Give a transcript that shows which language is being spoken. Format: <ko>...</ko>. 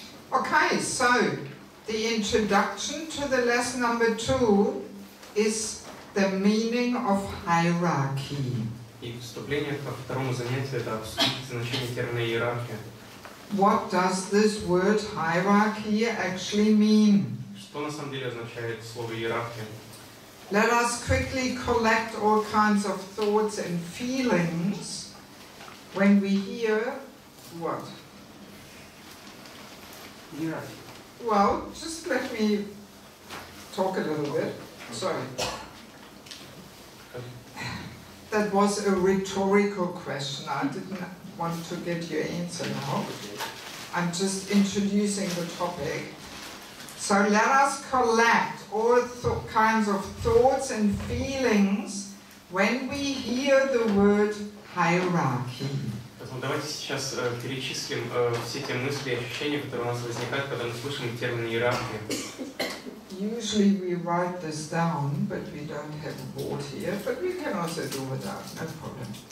<en>Okay, so the introduction to the lesson number 2 is the meaning of hierarchy.</en> <ru>И вступление ко второму занятию — это значение термина иерархия.</ru> <en>What does this word hierarchy actually mean?</en> <ru>Что на самом деле означает слово иерархия?</ru> <en>Let us quickly collect all kinds of thoughts and feelings when we hear what? Hierarchy. Well, just let me talk a little bit. Sorry. That was a rhetorical question. I didn't want to get your answer now. I'm just introducing the topic. So let us collect all kinds of thoughts and feelings when we hear the word hierarchy.</en> <ru>Давайте сейчас перечислим все те мысли и ощущения, которые у нас возникают, когда мы слышим термин иерархия.</ru> <en>Usually we write this down, but we don't have a board here, but we can also do without, no problem.</en>